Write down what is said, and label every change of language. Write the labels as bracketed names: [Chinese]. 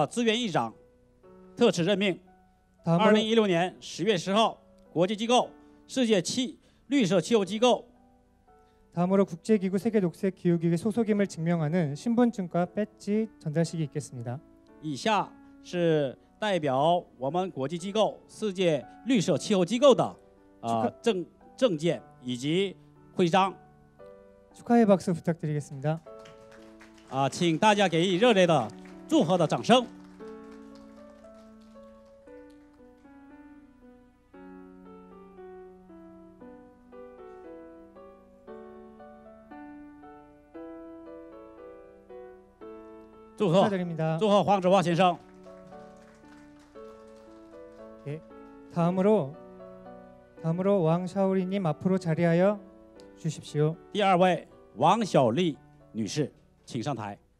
[Chinese] 以上人员成为我们亚细亚环球世界资源本部的资源议长，特此任命。2016年 10月 10号 国际机构 绿色气候机构。 [Korean] 다음으로 국제기구 세계 녹색 기후 기구 소속임을 증명하는 신분증과 배지 전달식이 있겠습니다. [Chinese] 以下是代表我们国际机构世界绿色气候机构的证件以及徽章。 [Korean] 축하의 박수 부탁드리겠습니다. [Chinese] 请大家给予热烈的祝贺的掌声。祝贺，祝贺黄子华先生。 [Korean] 예, 다음으로 왕샤오리님 앞으로 자리하여 주십시오. [Chinese] 第二位王小丽女士，请上台。